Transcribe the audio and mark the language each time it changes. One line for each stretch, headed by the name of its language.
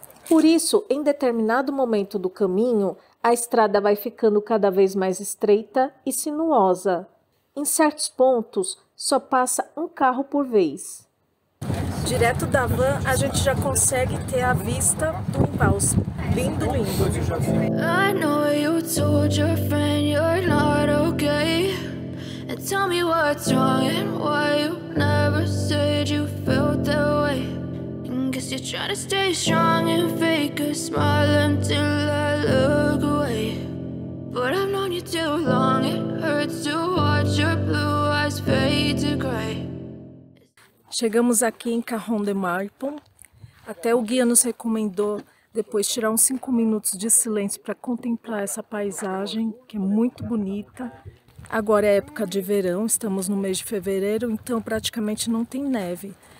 Portuguese: Por isso, em determinado momento do caminho, a estrada vai ficando cada vez mais estreita e sinuosa. Em certos pontos, só passa um carro por vez. Direto da van, a gente já consegue ter a vista do embalse. Lindo, lindo.
English: I know you told your friend you're not okay. And tell me what's wrong and why you never said you felt that way. Guess you're trying to stay strong and fake a smile until I look away. But I've known you too long, it hurts to watch your blue eyes fade to gray.
Portuguese: Chegamos aqui em Cajón del Maipo. Até o guia nos recomendou depois tirar uns 5 minutos de silêncio para contemplar essa paisagem, que é muito bonita. Agora é época de verão, estamos no mês de fevereiro, então praticamente não tem neve.